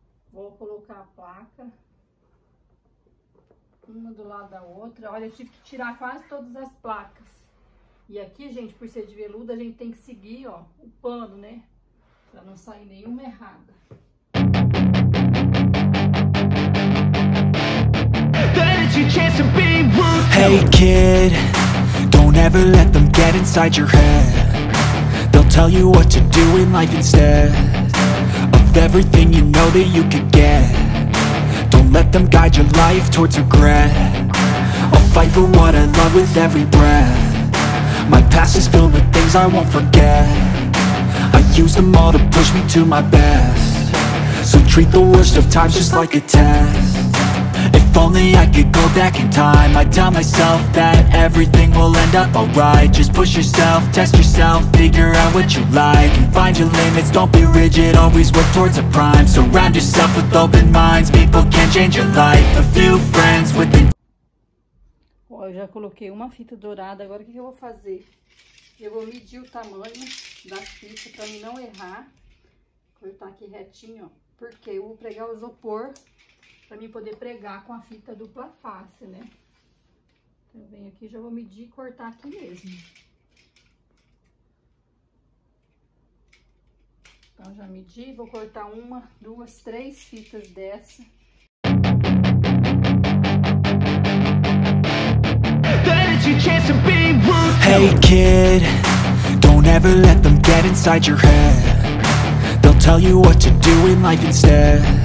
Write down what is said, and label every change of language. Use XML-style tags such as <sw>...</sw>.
<pt>Vou colocar a placa. Uma do lado da outra. Olha, eu tive que tirar quase todas as placas. E aqui, gente, por ser de veludo, a gente tem que seguir, ó, o pano, né? Pra não sair nenhuma errada.</pt> <en>Hey kid, don't ever let them get inside your head. They'll tell you what to do in life instead of everything you know that you could get. Don't let them guide your life towards regret. I'll fight for what I love with every breath. My past is filled with things I won't forget. I use them all to push me to my best. So treat the worst of times just like a test. If only I could go back in time, I'd tell myself that everything will end up alright. Just push yourself, test yourself, figure out what you like. And find your limits, don't be rigid, always work towards a prime. Surround yourself with open minds, people can change your life. A few friends with the...</en> <pt>Eu já coloquei uma fita dourada. Agora o que eu vou fazer? Eu vou medir o tamanho da fita pra não errar. Cortar aqui retinho, ó. Porque eu vou pregar o isopor pra mim poder pregar com a fita dupla face, né? Então eu venho aqui e já vou medir e cortar aqui mesmo. Então já medi, vou cortar uma, duas, três fitas dessa.</pt> <en>Hey kid, don't ever let them get inside your head. They'll tell you what to do in life instead.</en>